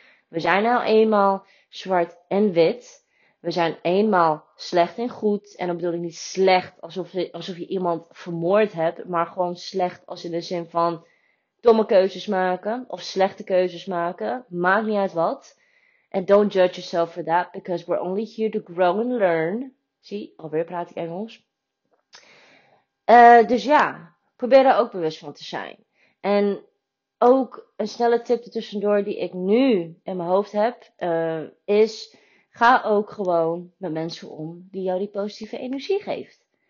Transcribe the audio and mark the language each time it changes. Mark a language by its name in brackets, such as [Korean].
[Dutch] We zijn nou eenmaal zwart en wit. We zijn eenmaal slecht en goed. En dan bedoel ik niet slecht alsof je iemand vermoord hebt, maar gewoon slecht als in de zin van domme keuzes maken of slechte keuzes maken. Maakt niet uit wat. [English] And don't judge yourself for that, because we're only here to grow and learn. [Dutch] Zie, alweer praat ik Engels. Dus ja, probeer daar ook bewust van te zijn. En ook een snelle tip ertussendoor die ik nu in mijn hoofd heb, is ga ook gewoon met mensen om die jou die positieve energie geeft.